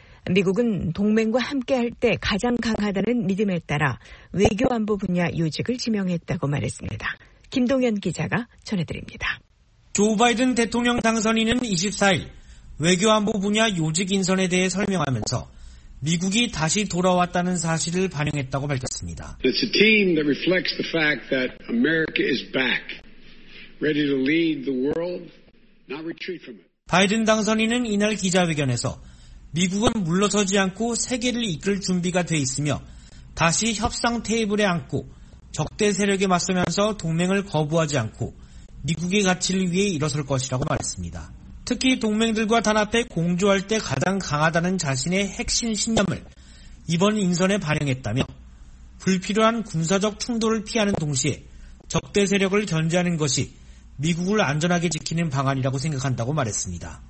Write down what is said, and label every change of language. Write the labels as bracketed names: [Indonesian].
[Korean] 미국은 동맹과 함께할 때 가장 강하다는 믿음에 따라 외교안보 분야 요직을 지명했다고 말했습니다. 김동현 기자가 전해드립니다. 조 바이든 대통령 당선인은 24일 외교안보 분야 요직 인선에 대해 설명하면서 미국이 다시 돌아왔다는 사실을 반영했다고 밝혔습니다. [English] It's a team that reflects the fact that America is back, ready to lead the world, not retreat from it. [Korean] 바이든 당선인은 이날 기자회견에서 미국은 물러서지 않고 세계를 이끌 준비가 돼 있으며 다시 협상 테이블에 앉고 적대 세력에 맞서면서 동맹을 거부하지 않고 미국의 가치를 위해 일어설 것이라고 말했습니다. 특히 동맹들과 단합해 공조할 때 가장 강하다는 자신의 핵심 신념을 이번 인선에 반영했다며 불필요한 군사적 충돌을 피하는 동시에 적대 세력을 견제하는 것이 미국을 안전하게 지키는 방안이라고 생각한다고 말했습니다.